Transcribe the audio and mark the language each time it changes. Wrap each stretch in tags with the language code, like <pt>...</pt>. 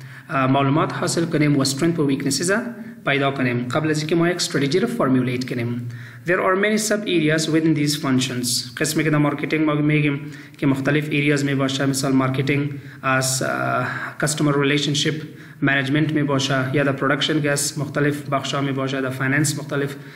<fa>معلومات حاصل کنیم و strength و weaknesses پیدا کنیم قبل از اینکه ما یک strategy را formulate کنیم.</fa> <en>There are many sub areas within these functions.</en> <fa>قسمی که در marketing ما میگیم که مختلف areas می باشه، مثال marketing as customer relationship management می باشه، یا در production گس مختلف بخش ها می باشه، در finance مختلف.</fa>